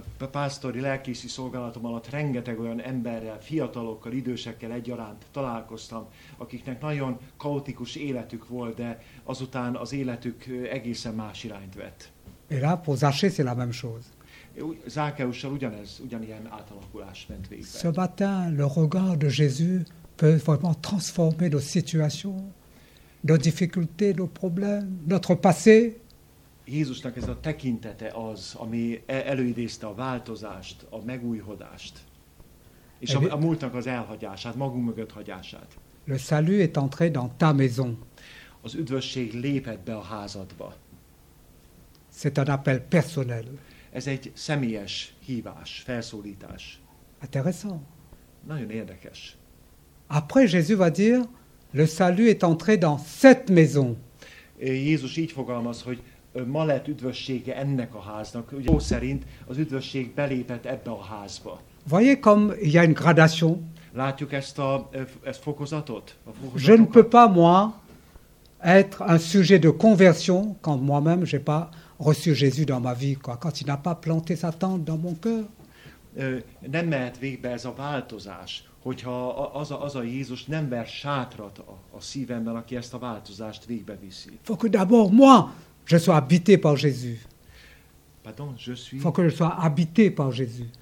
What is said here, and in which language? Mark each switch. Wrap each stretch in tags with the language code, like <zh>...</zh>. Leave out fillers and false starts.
<hu>Pásztori lelkészi szolgálatom alatt rengeteg olyan emberrel, fiatalokkal, idősekkel egyaránt találkoztam, akiknek nagyon kaotikus életük volt, de azután az életük egészen más irányt vett.</hu> <fr>Et là, pour Zachée, c'est la même chose.</fr> <hu>Zákeussal ugyanilyen átalakulás ment végbe.</hu> <fr>Ce matin, le regard de Jésus peut vraiment transformer nos situations, nos difficultés, nos problèmes, notre passé.</fr> <hu>Jézusnak ez a tekintete az, ami előidézte a változást, a megújhodást, és a múltnak az elhagyását, magunk mögött hagyását.</hu> <fr>Le salut est entré dans ta maison.</fr> <hu>Az üdvösség lépett be a házadba.</hu> <fr>C'est un appel personnel.</fr> <hu>Ez egy személyes hívás, felszólítás.</hu> <fr>Intéressant.</fr> <hu>Nagyon érdekes.</hu> <fr>Après Jésus va dire, le salut est entré dans cette maison.</fr> <hu>Jézus így fogalmaz, hogy ma lett üdvössége ennek a háznak. Ugye, szerint az üdvösség belépett ebbe a házba.</hu> <fr>Voyez comme il y a une gradation.</fr> <hu>Látjuk ezt a fokozatot?</hu> <fr>Je ne peux pas, moi, être un sujet de conversion quand moi-même, j'ai pas reçu Jésus dans ma vie, quoi. Quand il n'a pas planté sa tente dans mon cœur.</fr> <hu>nem mehet végbe ez a változás, hogyha az a Jézus nem ver sátrat a szívemben, aki ezt a változást végbe viszi.</hu> <fr>Faut que d'abord moi je sois habité par Jésus. Pardon, je suis. Faut que je sois habité par Jésus.</fr>